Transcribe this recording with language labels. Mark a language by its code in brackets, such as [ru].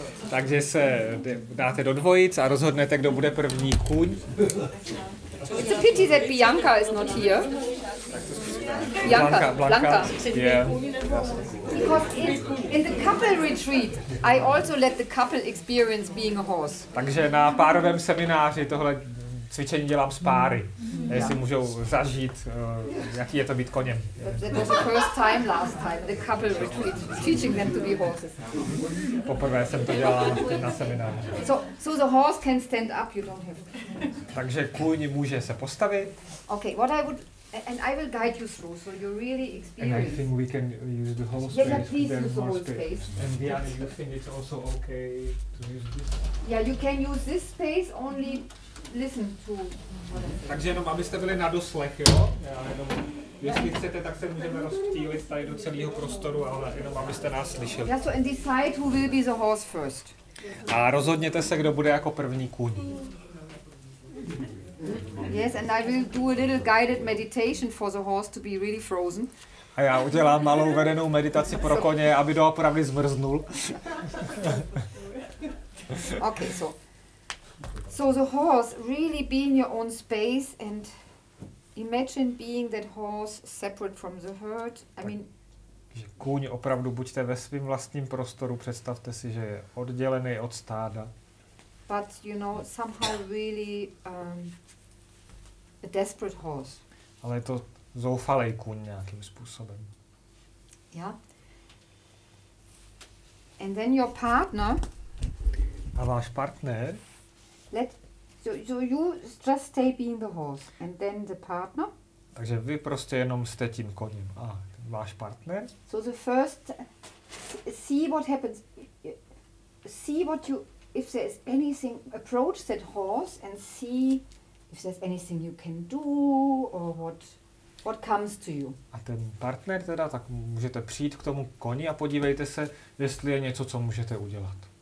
[cs] Takže se dáte do dvojic a rozhodnete, kdo bude první kůň. [en] It's a pity that Bianca is not here. Blanka. Yeah. Because in the couple retreat, I also let the couple experience being a horse. [cs] Takže na párovém semináři tohle cvičení dělám s páry, jestli můžou zažít, jaký je to být koněm. [en] That was the first time, last time, the couple retreat, teaching them to be horses. [cs] Poprvé jsem to dělal na semináři. [en] So the horse can stand up, you don't have. [cs] Takže kůň může se postavit. [en] Okay, what I would, and I will guide you through, so you really experience. And I think we can use the whole space. Yeah, please use the whole space. And Diana, you think it's also okay to use this? Yeah, you can use this space only. Listen to. [cs] Takže jenom abyste byli na doslech, jo? Jestli chcete, tak se můžeme rozptýlit tady do celého prostoru, ale jenom abyste nás slyšeli. [en] Yeah, so and decide who will be the horse first. [cs] A rozhodněte se, kdo bude jako první kůň. [en] Yes, and I will do a little guided meditation for the horse to be really frozen. [cs] A já udělám malou vedenou meditaci pro koně, aby doopravdy zmrznul. [en] Okay, so. So the horse really be in your own space and imagine being that horse separate from the herd. [cs] Kůň, opravdu buďte ve svém vlastním prostoru, představte si, že je oddělený od stáda. [en] but you know, somehow really a desperate horse. [cs] Ale je to zoufalej kůň nějakým způsobem. [en] Yeah. And then your partner. [cs] A váš partner. [en] So you just stay being the horse, and then the partner. [cs] Takže vy prostě jenom jste tím koním. A váš partner. [en] So the first, see what happens. See what you, if there's anything, approach that horse and see if there's anything you can do or what comes to you. [cs] A ten partner teda, tak můžete přijít k tomu koni a podívejte se, jestli je něco, co můžete udělat.